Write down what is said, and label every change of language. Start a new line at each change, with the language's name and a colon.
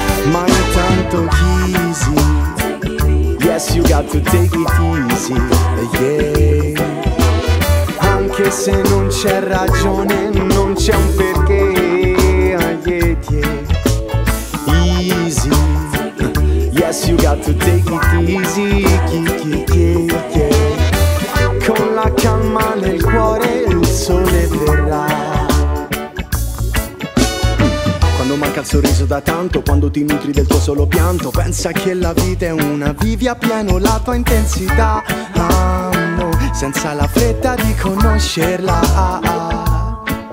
Italian: Ma intanto
English: easy, yes, you got to take it easy, yeah.
Italian: Anche se non c'è ragione, non c'è un perché, yeah, yeah.
English: Easy, yes, you got to take it easy, yeah, yeah, yeah, yeah.
Italian: Con la calma nel cuore il sole verrà. Non manca il sorriso da tanto, quando ti nutri del tuo solo pianto, pensa che la vita è una, vivi a pieno la tua intensità, amo, senza la fretta di conoscerla.